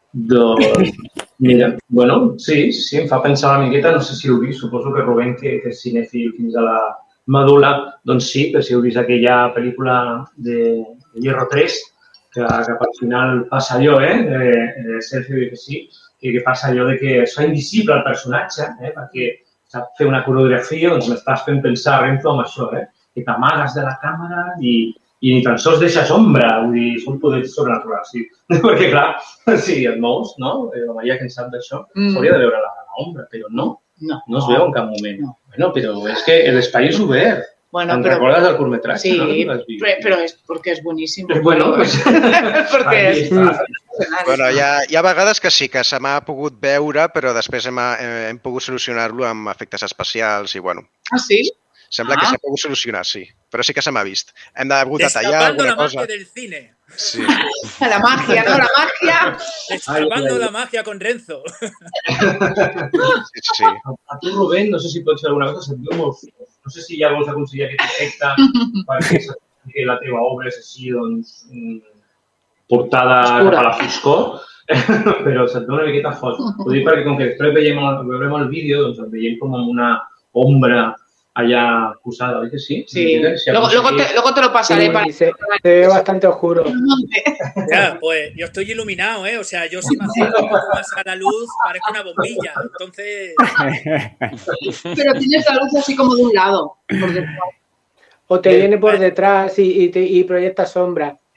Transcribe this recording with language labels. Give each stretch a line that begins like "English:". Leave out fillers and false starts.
Catalan: Doncs, mira, bueno, sí, em fa pensar una miqueta, no sé si ho vi, suposo que Rubén, que és cinèfil fins a la medula, doncs sí, que si heu vist aquella pel·lícula de Hierro 3, que al final passa allò, Sergio, que sí, que passa allò de que és invisible el personatge, perquè sap fer una coreografia, doncs m'estàs fent pensar, Renzo, amb això, que t'amagues de la càmera i ni tan sols deixes ombra, vull dir, són poders sobrenaturals, sí. Perquè, clar, si et mous, no? La Maria, que en sap d'això, s'hauria de veure la ombra, però no es veu en cap moment. No. Bueno, però és que l'espai és obert.
Spanish: Bueno, ¿te recuerdas del curtmetraje? Sí, ¿no? pero es porque es buenísimo. Pues bueno, pues... porque es...
Catalan: Bueno, hi ha vegades que sí, que se m'ha pogut veure, però després hem pogut solucionar-lo amb efectes especials i bueno. Ah, sí? Sembla que s'ha pogut solucionar, sí. Però sí que se m'ha vist. Hem hagut de tallar alguna cosa.
Spanish: Destapando la magia del cine. Sí. La magia, no la magia. Destapando la magia con Renzo. Sí.
Catalan: A tu, Rubén, no sé si pots fer alguna cosa. No sé si ja vols aconseguir aquest efecte perquè la teva obra és així, doncs, portada cap a la foscor. Però se't veu una miqueta fos. Ho dic perquè com que després veurem el vídeo, doncs el veiem com amb una ombra allà posada, oi que sí?
Spanish: Sí, luego te lo pasaré. Se ve bastante oscuro. Claro, pues yo estoy iluminado, ¿eh? O sea, yo si me acerco a la luz parezco una bombilla, entonces... Pero tienes la luz así como de un lado. O te viene por detrás y proyecta sombra.